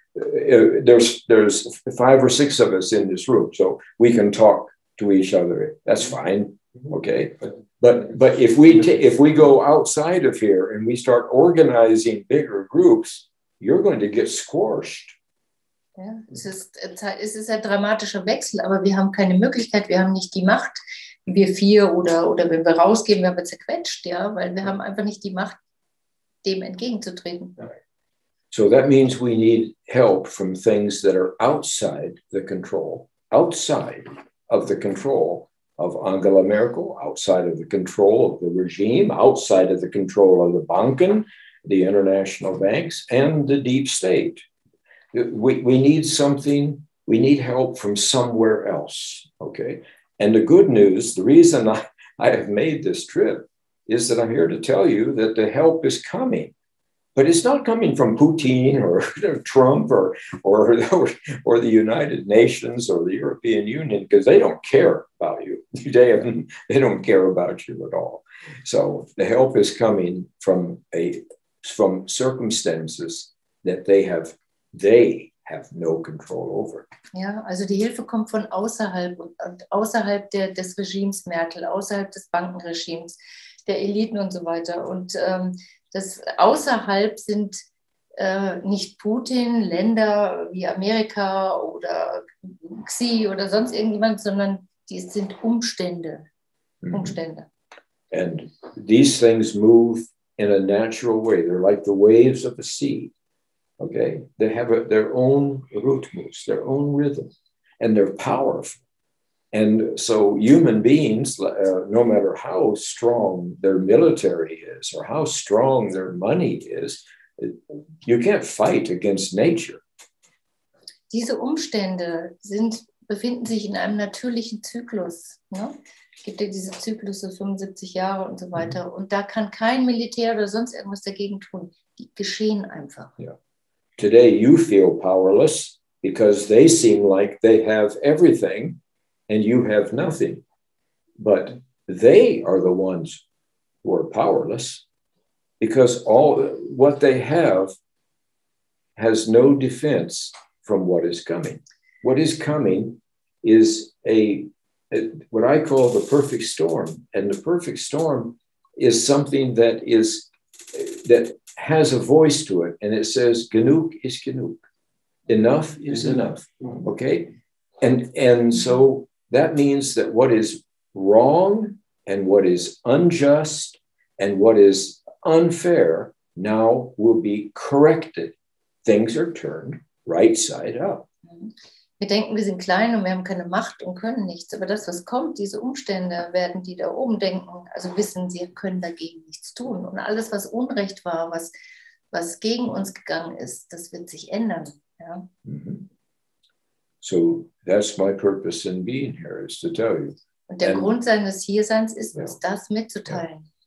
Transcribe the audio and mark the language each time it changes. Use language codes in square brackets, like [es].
[en] There's five or six of us in this room, so we can talk to each other. That's fine, okay? But if we go outside of here and we start organizing bigger groups, you're going to get squashed. [de] Ja, es ist ein dramatischer Wechsel, aber wir haben keine Möglichkeit, wir haben nicht die Macht, wir vier oder wenn wir rausgehen, werden wir zerquetscht, ja, weil wir haben einfach nicht die Macht, dem entgegenzutreten. [en] So that means we need help from things that are outside of the control of Angela Merkel, outside of the control of the regime, outside of the control of the Banken, the international banks, and the deep state. We need something, we need help from somewhere else, okay? And the good news, the reason I have made this trip is that I'm here to tell you that the help is coming. But it's not coming from Putin or Trump or the United Nations or the European Union, because they don't care about you. They don't care about you at all. So the help is coming from circumstances that they have no control over. [de] Ja, also die Hilfe kommt von außerhalb, und außerhalb des Regimes Merkel, außerhalb des Bankenregimes, der Eliten und so weiter. Und das außerhalb sind nicht Putin, Länder wie Amerika oder Xi oder sonst irgendjemand, sondern die sind Umstände. Mm-hmm. Umstände. [en] And these things move in a natural way. They're like the waves of the sea. Okay, they have their own rhythms, their own rhythm, and they're powerful. And so human beings, no matter how strong their military is or how strong their money is, you can't fight against nature. [de] Diese Umstände befinden sich in einem natürlichen Zyklus. Ne? Es gibt ja diese Zyklus so 75 Jahre und so weiter. Mm-hmm. Und da kann kein Militär oder sonst irgendwas dagegen tun. Die geschehen einfach. Ja. [en] Today you feel powerless because they seem like they have everything and you have nothing. But they are the ones who are powerless because all what they have has no defense from what is coming. What is coming is what I call the perfect storm. And the perfect storm is something that has a voice to it, and it says, [de] genug is genug. [en] Enough is enough, okay? And so that means that what is wrong and what is unjust and what is unfair now will be corrected. Things are turned right side up. [de] Wir denken, wir sind klein und wir haben keine Macht und können nichts. Aber das, was kommt, diese Umstände, werden die da oben denken, also wissen, sie können dagegen nichts tun. Und alles, was Unrecht war, was gegen uns gegangen ist, das wird sich ändern. Ja? [en] So, that's my purpose in being here, is to tell you. [de] Und der Grund seines Hierseins ist, uns das mitzuteilen.